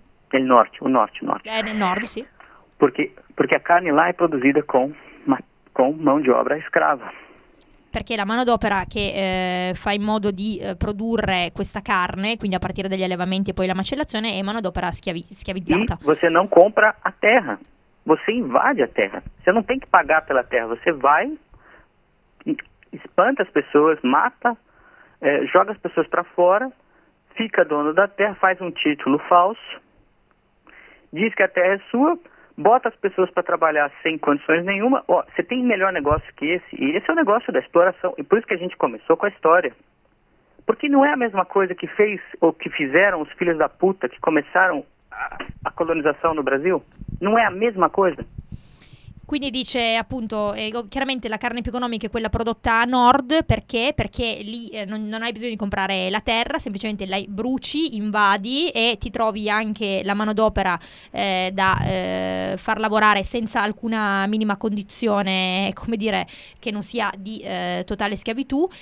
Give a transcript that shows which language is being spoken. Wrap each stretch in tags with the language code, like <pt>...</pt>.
<it>Nel nord, o nord, nord. Nel nord, sì. Perché la carne là è</it> <pt>produzida</pt> <it>con</it> <pt>mão de obra escrava.</pt> <it>Perché la manodopera che fa in modo di produrre questa carne, quindi a partire dagli allevamenti e poi la macellazione, è manodopera schiavizzata.</it> <pt>E você não compra a terra, você invade a terra. Você não tem que pagar pela terra, você vai, espanta as pessoas, mata, joga as pessoas para fora, fica dono da terra, faz um título falso, diz que a terra é sua, bota as pessoas para trabalhar sem condições nenhuma. Ó, você tem melhor negócio que esse? E esse é o negócio da exploração. E por isso que a gente começou com a história. Porque não é a mesma coisa que fez ou que fizeram os filhos da puta que começaram a colonização no Brasil? Não é a mesma coisa?</pt> <it>Quindi dice appunto, chiaramente la carne più economica è quella prodotta a nord, perché? Perché lì non hai bisogno di comprare la terra, semplicemente la bruci, invadi e ti trovi anche la manodopera da far lavorare senza alcuna minima condizione, come dire, che non sia di totale schiavitù.</it>